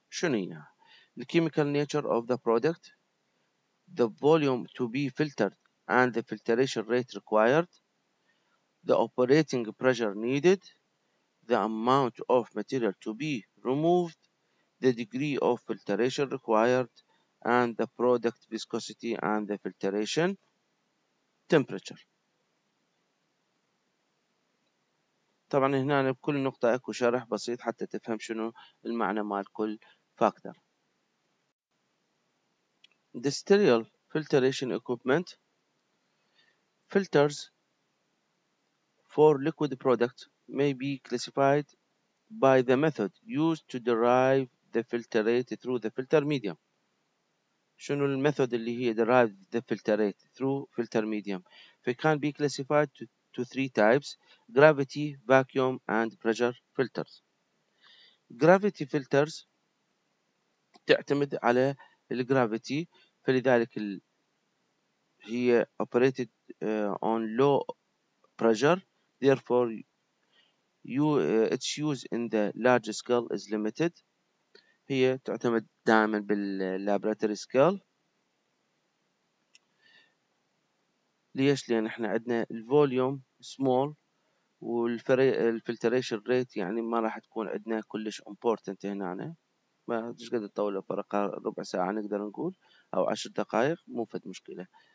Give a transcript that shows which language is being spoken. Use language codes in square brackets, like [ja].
[ar] شنو هي؟ [en] the chemical nature of the product, the volume to be filtered and the filtration rate required, the operating pressure needed, the amount of material to be removed, the degree of filtration required, and the product viscosity and the filtration temperature. [ar] طبعا هنا بكل نقطة اكو شرح بسيط حتى تفهم شنو المعنى مال كل فاكتور. [en] The sterile filtration equipment filters for liquid products may be classified by the method used to derive the filtrate through the filter medium. [ar] شنو الميثود اللي هي [en] derive the filtrate through filter medium? They can be classified to to three types: gravity, vacuum, and pressure filters. Gravity filters [ar] تعتمد على الجرافيتي، فلذلك هي [en] operated on low pressure. Therefore, its use in the large scale is limited. [ar] هي تعتمد دائما باللابراتوري سكيل. ليش؟ لان احنا عندنا الفوليوم سمول والفلتريشن ريت يعني ما راح تكون عندنا كلش امبورتنت هنا، ما ايش قد تطول الفرقه ربع ساعه نقدر نقول او 10 دقائق مو فد مشكله.